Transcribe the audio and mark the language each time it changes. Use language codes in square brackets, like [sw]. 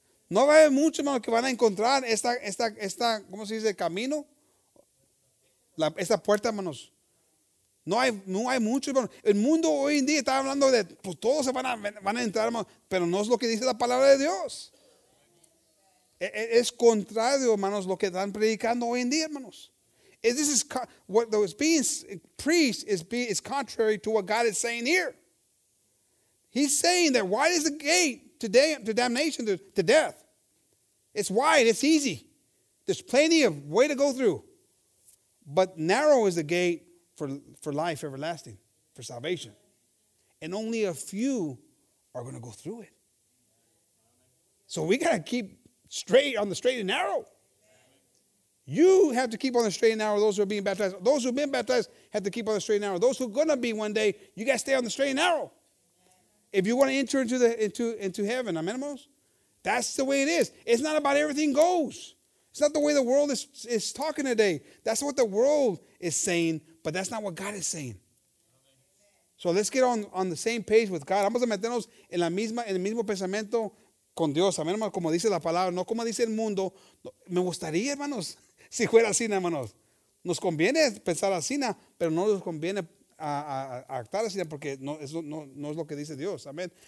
[es] No va a haber mucho, hermano, que van a encontrar esta, ¿cómo se dice? Camino. Esta puerta, hermanos. No hay mucho, hermano. El mundo hoy en día está hablando de, pues todos se van a entrar, hermano. Pero no es lo que dice la palabra de Dios. Es contrario, hermanos, lo que están predicando hoy en día, hermanos. [en] This is what is being preached is contrary to what God is saying here. He's saying that wide is the gate to damnation, to death. It's wide. It's easy. There's plenty of way to go through. But narrow is the gate for life everlasting, for salvation. And only a few are going to go through it. So we got to keep straight on the straight and narrow. You have to keep on the straight and narrow, those who are being baptized. Those who have been baptized have to keep on the straight and narrow. Those who are going to be one day, you got to stay on the straight and narrow. If you want to enter into heaven, amen, hermanos? That's the way it is. It's not about everything goes. It's not the way the world is talking today. That's what the world is saying, but that's not what God is saying. So let's get on the same page with God. [es] Vamos a meternos en el mismo pensamiento con Dios, amen, hermanos, como dice la palabra, no como dice el mundo. Me gustaría, hermanos, si fuera así, hermanos. Nos conviene pensar así, pero no nos conviene a actar así porque no es lo que dice Dios, amén.